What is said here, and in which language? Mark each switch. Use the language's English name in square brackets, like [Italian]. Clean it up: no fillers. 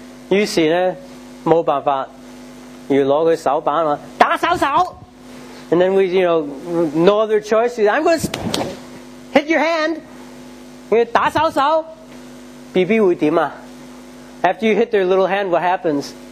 [Cantonese] 於是呢，冇辦法，要攞佢手板話打手手。 [English] And then we, you know, no other choice. I'm going to hit your hand. [Cantonese] 因為打手手 ，BB 會點啊 [English] ？After you hit their little hand, what happens?